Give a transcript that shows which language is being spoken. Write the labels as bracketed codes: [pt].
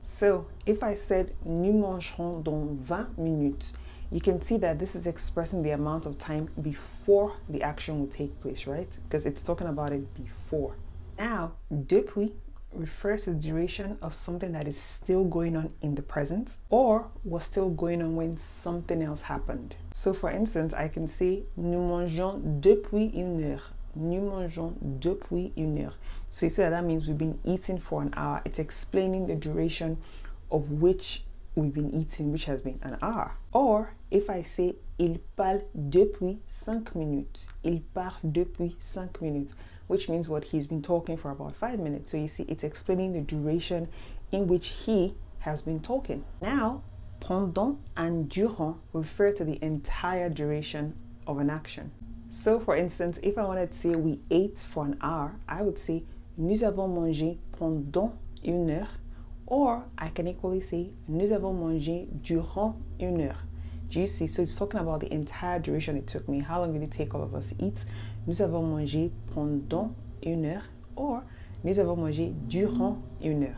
[en] So if I said [fr] nous mangerons dans 20 minutes, [en] you can see that this is expressing the amount of time before the action will take place, right? Because it's talking about it before. Now, depuis refers to the duration of something that is still going on in the present or was still going on when something else happened. So for instance, I can say [fr] nous mangeons depuis une heure. Nous mangeons depuis une heure. [en] So you see that means we've been eating for an hour. It's explaining the duration of which we've been eating, which has been an hour. Or if I say [fr] il parle depuis 5 minutes, il parle depuis 5 minutes, [en] which means what? He's been talking for about 5 minutes. So you see, it's explaining the duration in which he has been talking. Now, pendant and durant refer to the entire duration of an action. So for instance, if I wanted to say we ate for an hour, I would say [fr] nous avons mangé pendant une heure, [en] or I can equally say [fr] nous avons mangé durant une heure. [en] Do you see? So it's talking about the entire duration it took me. How long did it take all of us to eat? [fr] Nous avons mangé pendant une heure, or nous avons mangé durant une heure.